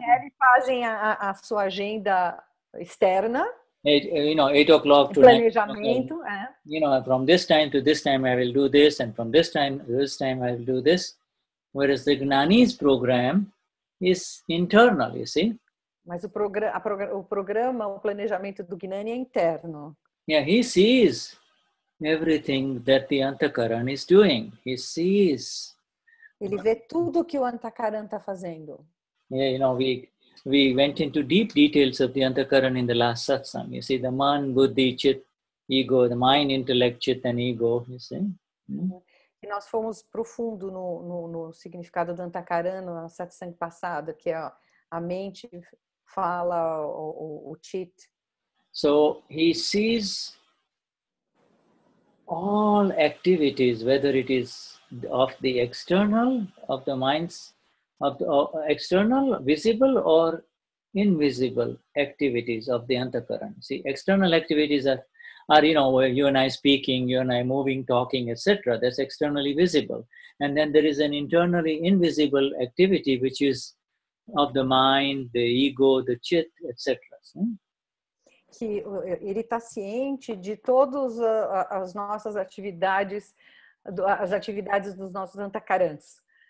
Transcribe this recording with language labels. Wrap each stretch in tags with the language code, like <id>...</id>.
<pt>Danielle fazem a sua agenda externa.</pt> <en>Eight o'clock to</en> <pt>planejamento,</pt> <en>you know, from this time I will do this, and from this time I will do this. Whereas the Gnani's program is internal, you see.</en> <pt>Mas o programa, o planejamento do Gnani é interno.</pt> <en>Yeah, he sees everything that the Antakaran is doing. He sees.</en> <pt>Ele vê tudo que o Antakaran está fazendo.</pt> <en>Yeah, you know, we went into deep details of the Antakaran in the last satsang. You see, the man, buddhi, chit, ego, the mind, intellect, chit, and ego, you see.</en> <pt>E nós fomos profundo no significado do Antakaran na satsang passada, que é a mente fala o chit.</pt> <en>So, he sees all activities, whether it is of the external, of the mind's, of the external, visible or invisible activities of the Antakaran. See, external activities are, you know, you and I speaking, you and I moving, talking, etc. That's externally visible. And then there is an internally invisible activity, which is of the mind, the ego, the chit, etc.</en> <pt>Que ele está ciente de todas as nossas atividades, as atividades dos nossos Antakarans.</pt>